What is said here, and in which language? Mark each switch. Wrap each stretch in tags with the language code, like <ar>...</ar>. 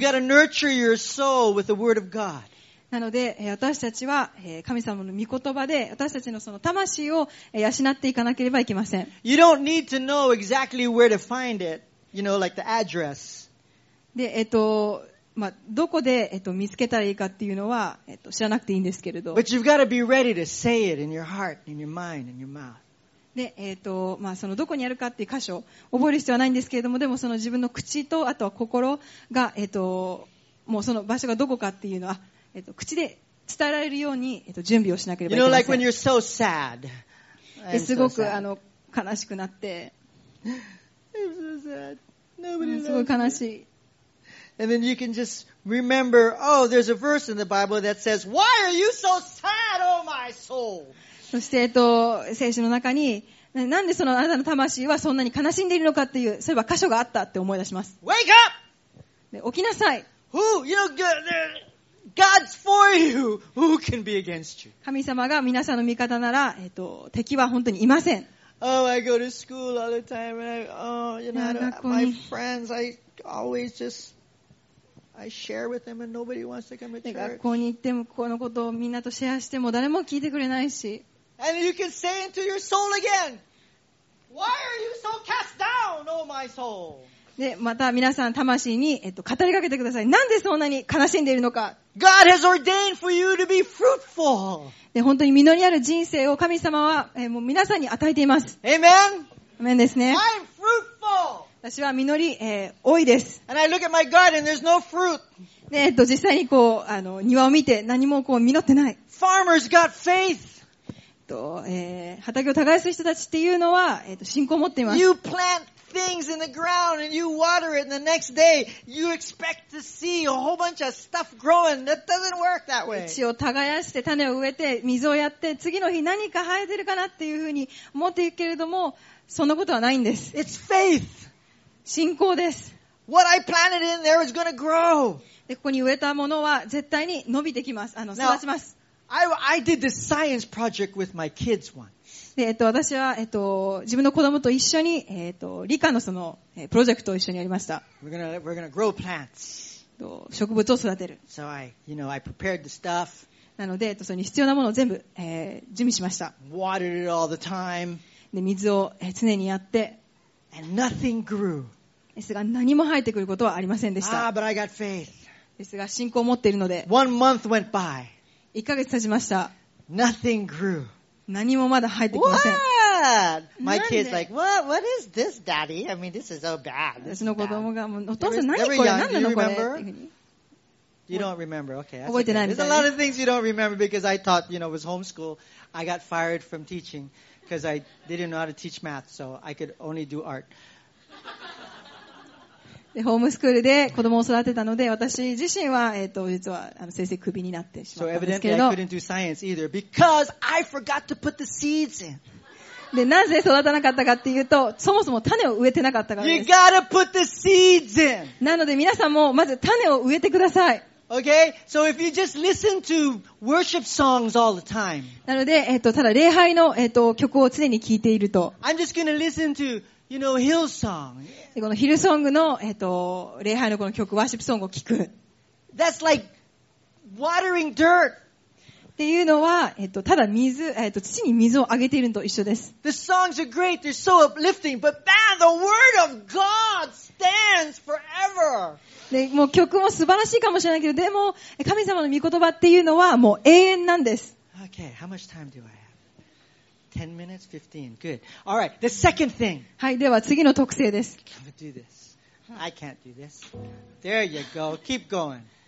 <en>So、you've got to nurture your soul with the word of God.</en> <ja>なので、私たちは、神様の御言葉で私たちのその魂を養っていかなければいけません。</ja> <en>You don't need to know exactly where to find it. You know, like the address.</en> <ja>で、まあ、どこで、見つけたらいいかっていうのは、知らなくていいんですけれど。</ja> <en>But you've got to be ready to say it in your heart, in your mind, in your mouth.</en> <ja>で、まあ、そのどこにあるかっていう箇所を覚える必要はないんですけれども、でもその自分の口と、あとは心が、もうその場所がどこかっていうのは、口で伝えられるように、準備をしなければいけません。</ja> <en>You know, like when you're so sad.</en> <ja>で、すごく、悲しくなって。</ja> <en>I'm so sad. Nobody loves</en> <ja>me. すごい悲しい。</ja> <en>And then you can just remember, oh, there's a verse in the Bible that says, "Why are you so sad, oh my soul?"</en> <ja>そして聖書の中に、なんでそのあなたの魂はそんなに悲しんでいるのかっていう、そういえば箇所があったって思い出します。</ja> <en>Wake up!</en> <ja>起きなさい。</ja> <en>Who, you know, God's for you. Who can be against you?</en> <ja>神様が皆さんの味方なら、敵は本当にいません。</ja> <en>Oh, I go to school all the time, and I, oh, you know, my friends, I always just. I share with them and nobody wants to come to church.</en> <ja>学校に行ってもこのことをみんなとシェアしても誰も聞いてくれないし。</ja> <en>And you can say into your soul again, "Why are you so cast down, oh my soul?"</en> <ja>で、また皆さん魂に語りかけてください。なんでそんなに悲しんでいるのか。</ja> <en>God has ordained for you to be fruitful.</en> <ja>で、本当に実りある人生を神様は、もう皆さんに与えています。</ja> <en>Amen.</en> <ja>アメンですね。</ja> <en>I'm fruitful.</en> <ja>私は実り、多いです。</ja> <en>And I look at my garden, there's no fruit.</en> <ja>で、実際にこう、庭を見て何もこう実ってない。</ja> <en>Farmers got faith.</en> <ja>畑を耕す人たちっていうのは、信仰を持っています。</ja> <en>You plant things in the ground and you water it and the next day you expect to see a whole bunch of stuff growing. That doesn't work that way.</en> <ja>土を耕して種を植えて水をやって次の日何か生えてるかなっていうふうに思っているけれども、そんなことはないんです。</ja> <en>It's faith.</en> <ja>信仰です。</ja> <en>What I planted in there is gonna grow.</en> <ja>で、ここに植えたものは絶対に伸びてきます。育ちます。</ja> <en>Now, I did this science project with my kids once.</en> <ja>で、私は、自分の子供と一緒に、理科のその、プロジェクトを一緒にやりました。</ja> <en>We're gonna grow plants.</en> <ja>植物を育てる。</ja> <en>So I, you know, I prepared the stuff.</en> <ja>なので、それに必要なものを全部、準備しました。</ja> <en>Watered it all the time.</en> <ja>で、水を、常にやって、</ja> <en>And nothing grew.</en> <ja>ですが何も生えてくることはありませんでした。</ja> <en>Ah, but I got faith.</en> <ja>ですが信仰を持っているので。</ja> <en>One month went by.</en> <ja>1ヶ月経ちました。</ja> <en>Nothing grew.</en> <ja>何もまだ生えてきません。</ja> <en>What? My kid's like, what? What is this, daddy? I mean, this is so bad.</en> <ja>私の子供がもうお父さん何これ何なのこれ。</ja> <en>You remember? You don't remember. Okay.</en> <ja>覚えてないです。</ja> <en>There's a lot of things you don't remember because I thought, you know, it was homeschool. I got fired from teaching. Because I didn't know how to teach math, so I could only do art.</en> <ja>で、ホームスクールで子供を育てたので、私自身は実は先生クビになってしまったんですけれど。</ja> <en>So evidently I couldn't do science either because I forgot to put the seeds in.</en> <ja>で、なぜ育たなかったかっていうと、そもそも種を植えてなかったからです。</ja> <en>You gotta put the seeds in.</en> <ja>なので皆さんもまず種を植えてください。</ja> <en>Okay, so if you just listen to worship songs all the time.</en> <ja>なので、ただ礼拝の、曲を常に聴いていると。</ja> <en>I'm just gonna listen to, you know, Hillsong.</en> <ja>このヒルソングの、礼拝のこの曲、ワーシップソングを聴く。</ja> <en>That's like watering dirt.</en> <ja>っていうのは、ただ水、土に水をあげているのと一緒です。</ja> <en>The songs are great, they're so uplifting, but man, the word of God stands forever.</en> <ja>で、もう曲も素晴らしいかもしれないけど、でも、神様の御言葉っていうのはもう永遠なんです。</ja> <en>Okay, how much time do I have? 10 minutes, 15. Good. Alright, the second thing.</en> <ja>はい、では次の特性です。</ja> <en>I'll do this. I can't do this. There you go. Keep going.</en>